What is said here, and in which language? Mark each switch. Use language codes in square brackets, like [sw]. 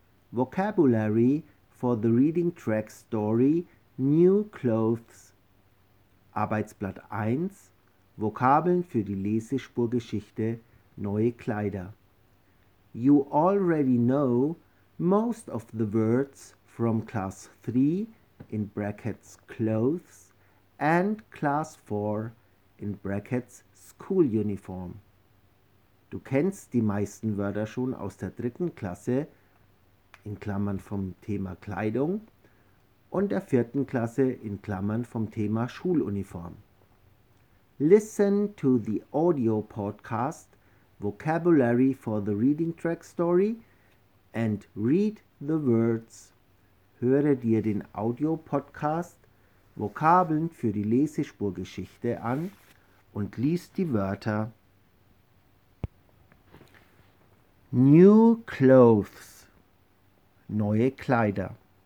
[en] Vocabulary for the reading track story New Clothes. [de] Arbeitsblatt 1. Vokabeln für die Lesespurgeschichte Neue Kleider. [en] You already know most of the words from Class 3 in brackets clothes and Class 4 in brackets school uniform. [de] Du kennst die meisten Wörter schon aus der dritten Klasse, in Klammern vom Thema Kleidung, und der vierten Klasse, in Klammern vom Thema Schuluniform. [en] Listen to the audio podcast Vocabulary for the Reading Track Story and read the words. [de] Höre dir den Audio-Podcast Vokabeln für die Lesespurgeschichte an und lies die Wörter. [en] New clothes, [de] neue Kleider.